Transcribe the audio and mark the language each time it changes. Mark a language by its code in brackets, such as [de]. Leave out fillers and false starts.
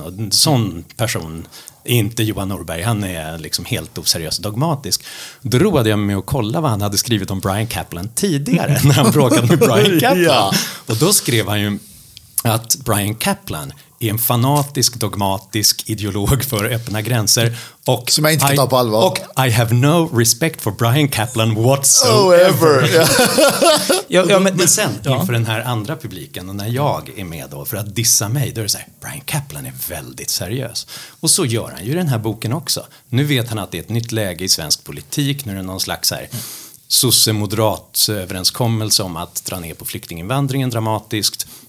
[sv] Och en sån person är inte Johan Norberg, han är liksom helt oseriös och dogmatisk. Då roade jag mig att kolla vad han hade skrivit om Brian Kaplan tidigare när han bråkade med Brian Kaplan. Ja. Och då skrev han ju att Brian Kaplan är en fanatisk, dogmatisk ideolog för öppna gränser. Och som jag inte kan ta på allvar. [en] Och I have no respect for Brian Kaplan whatsoever. [sv] Oh, ja, men sen, inför den här andra publiken, och när jag är med då för att dissa mig, då är det så här, Brian Kaplan är väldigt seriös. Och så gör han ju den här boken också. Nu vet han att det är ett nytt läge i svensk politik, nu är det någon slags här sosse-moderat överenskommelse om att dra ner på flyktinginvandringen dramatiskt.